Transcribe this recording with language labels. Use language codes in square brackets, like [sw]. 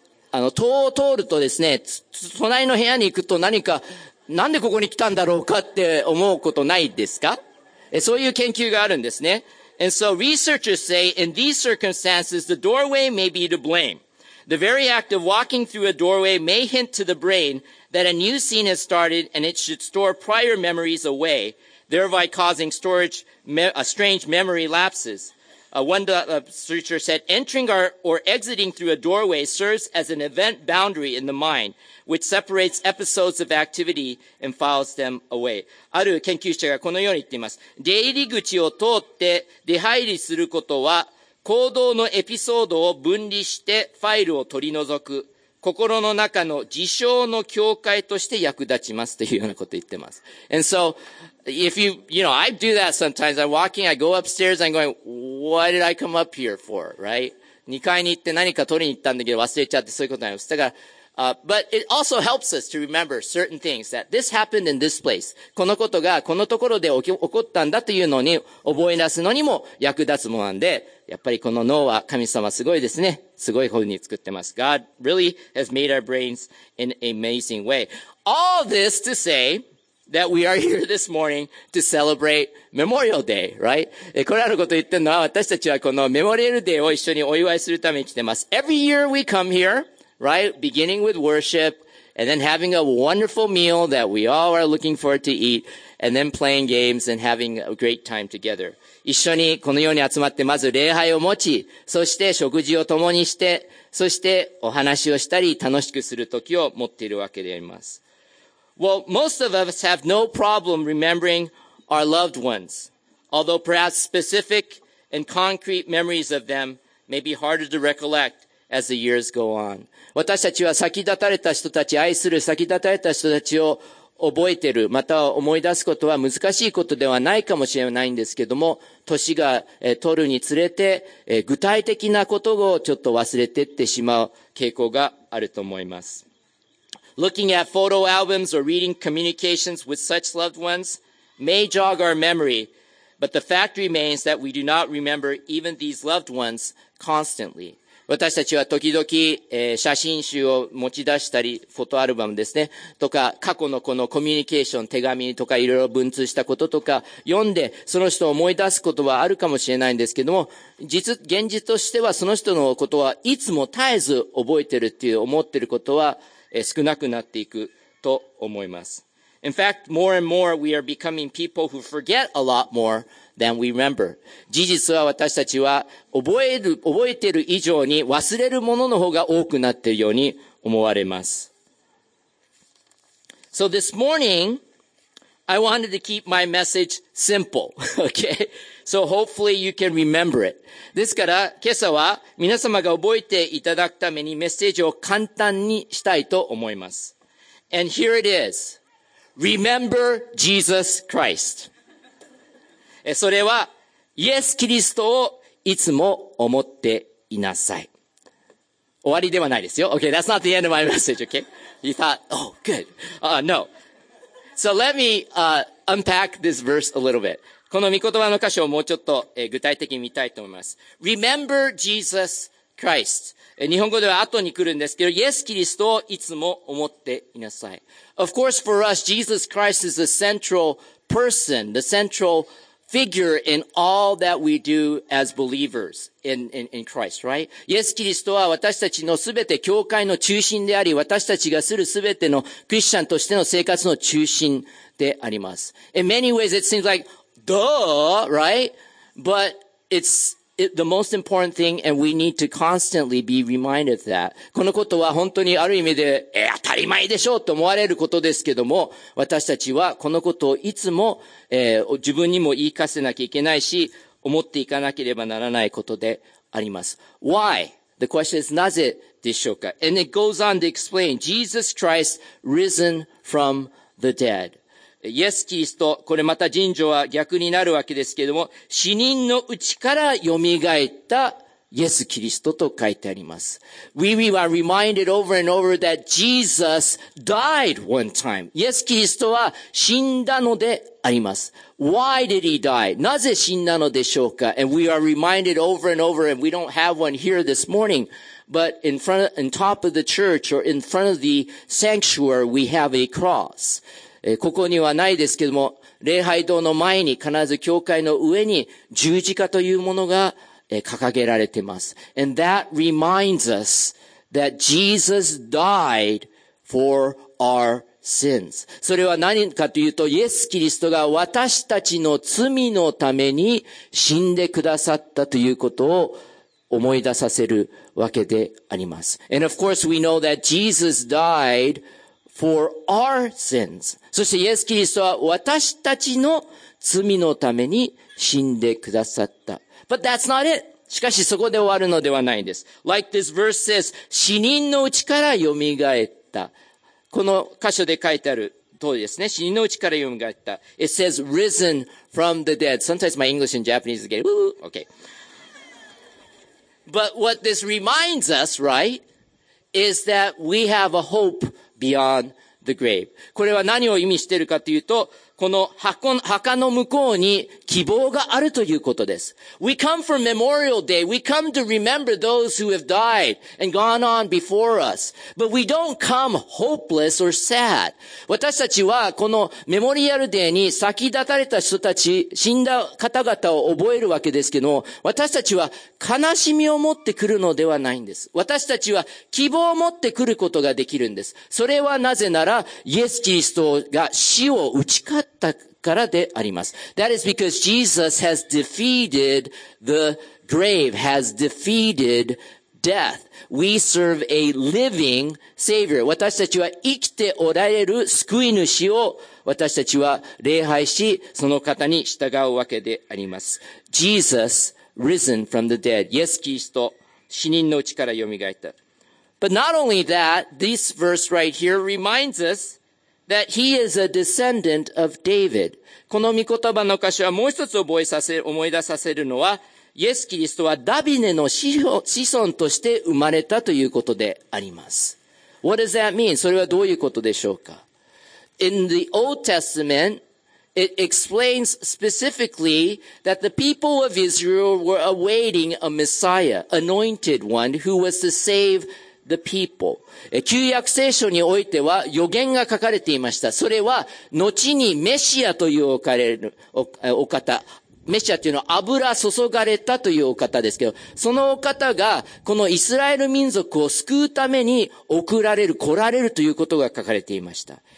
[ja] 塔を通るとですね、隣の部屋に行くと何か、なんでここに来たんだろうかって思うことないですか? そういう研究があるんですね。 [en] And so researchers say in these circumstances, the doorway may be to blame. The very act of walking through a doorway may hint to the brain that a new scene has started and it should store prior memories away, thereby causing strange memory lapses. One researcher said, entering or exiting through a doorway serves as an event boundary in the mind, which separates episodes of activity and files them away. [ja] ある研究者がこのように言っています。出入り口を通って出入りすることは行動のエピソードを分離してファイルを取り除く心の中の事象の境界として役立ちますというようなことを言ってます。 [en] And so, if you know, I do that sometimes. I'm walking, I go upstairs, I'm going, what did I come up here for, right? [ja] 2階に行って何か取りに行ったんだけど忘れちゃってそういうことになります。だから、 [en] But it also helps us to remember certain things that this happened in this place. [ja] このことがこのところで起こったんだというのに覚え出すのにも役立つものなんで、やっぱりこの脳は神様すごいですね。すごい風に作ってます。 [en] God really has made our brains in an amazing way. All this to say that we are here this morning to celebrate Memorial Day, right? [ja] これらのことを言ってるのは私たちはこのメモリアルデーを一緒にお祝いするために来てます。 [en] Every year we come here,Right, beginning with worship, and then having a wonderful meal that we all are looking forward to eat, and then playing games and having a great time together. [ja] 一緒にこのように集まってまず礼拝を持ち、そして食事を共にして、そしてお話をしたり楽しくする時を持っているわけであります。 [en] Well, most of us have no problem remembering our loved ones, although perhaps specific and concrete memories of them may be harder to recollect as the years go on. [ja] 私たちは先立たれた人たち、愛する先立たれた人たちを覚えている、または思い出すことは難しいことではないかもしれないんですけども、年が取るにつれて、具体的なことをちょっと忘れていってしまう傾向があると思います。 [en] Looking at photo albums or reading communications with such loved ones may jog our memory, but the fact remains that we do not remember even these loved ones constantly. [ja] 私たちは時々、写真集を持ち出したり、フォトアルバムですね、とか、過去のこのコミュニケーション、手紙とか、いろいろ文通したこととか、読んで、その人を思い出すことはあるかもしれないんですけども、現実としては、その人のことはいつも絶えず覚えてるっていう思ってることは、少なくなっていくと思います。 [en] In fact, more and more, we are becoming people who forget a lot more. Than we remember. [ja] 事実は私たちは覚えている以上に忘れるものの方が多くなっているように思われます。 [en] So this morning, I wanted to keep my message simple. Okay? So hopefully you can remember it. [ja] ですから今朝は皆様が覚えていただくためにメッセージを簡単にしたいと思います。 [en] And here it is. Remember Jesus Christ. [ja] それは、イエス・キリストをいつも思っていなさい。終わりではないですよ。 [en] Okay, that's not the end of my message, okay? You thought, oh, good. No. So let me, unpack this verse a little bit. [ja] この御言葉の箇所をもうちょっと、具体的に見たいと思います。 [en] Remember Jesus Christ. [ja] 日本語では後に来るんですけど、イエス・キリストをいつも思っていなさい。 [en] Of course, for us, Jesus Christ is the central person, the central figure in all that we do as believers in Christ, right? [ja] イエス・キリストは私たちのすべて教会の中心であり、私たちがするすべてのクリスチャンとしての生活の中心であります。 [en] In many ways, it seems like, duh, right? But it's the most important thing, and we need to constantly be reminded of that. [ja] このことは本当にある意味で、当たり前でしょうと思われることですけども、私たちはこのことをいつも、自分にも言い聞かせなきゃいけないし、思っていかなければならないことであります。 [en] Why? The question is, [ja] なぜでしょうか? [en] And it goes on to explain, Jesus Christ risen from the dead. [ja] イエス・キリスト、これまた尋常は逆になるわけですけれども、死人のうちから蘇ったイエス・キリストと書いてあります。 [en] We are reminded over and over that Jesus died one time. [ja] イエス・キリストは死んだのであります。 [en] Why did he die? [ja] なぜ死んだのでしょうか? [en] And we are reminded over and over, and we don't have one here this morning, but in top of the church or in front of the sanctuary, we have a cross. [ja] ここにはないですけども、礼拝堂の前に必ず教会の上に十字架というものが掲げられています。 [en] And that reminds us that Jesus died for our sins. [ja] それは何かというと、イエス・キリストが私たちの罪のために死んでくださったということを思い出させるわけであります。 [en] And of course we know that Jesus died for our sins. [ja] そしてイエス・キリストは私たちの罪のために死んでくださった。 [en] But that's not it. [ja] しかしそこで終わるのではないんです。 [en] Like this verse says, [ja] 死人のうちから蘇った。この箇所で書いてある通りですね。死人のうちから蘇った。 [en] It says risen from the dead. Sometimes my English and Japanese get woo. Okay. But what this reminds us, right, is that we have a hopeBeyond the grave. これは何を意味しているかというと、この墓の向こうに希望があるということです。 We come for Memorial Day. We come to remember those who have died and gone on before us. But we don't come hopeless or sad. [ja] 私たちはこのメモリアルデーに先立たれた人たち、死んだ方々を覚えるわけですけども、私たちは悲しみを持ってくるのではないんです。私たちは希望を持ってくることができるんです。それはなぜなら、イエス・キリストが死を打ち勝ったからであります。 [en] That is because Jesus has defeated the grave, has defeated death. We serve a living Savior. [ja] 私たちは生きておられる救い主を私たちは礼拝し、その方に従うわけであります。 [en] Jesus risen from the dead. [ja] イエス・キリスト、死人のうちから蘇った。 [en] But not only that, this verse right here reminds us that he is a descendant of David. [ja] この御言葉の箇所はもう一つ思い出させるのは、イエス・キリストはダビデの子孫として生まれたということであります。 [en] What does that mean? [ja] それはどういうことでしょうか? [en] In the Old Testament, it explains specifically that the people of Israel were awaiting a Messiah, anointed one who was to save the people. [ja] 旧約聖書においては予言が書かれていました。それは後にメシアというお方、メシアというのは油注がれたというお方ですけど、そのお方がこのイスラエル民族を救うために送られる、来られるということが書かれていました。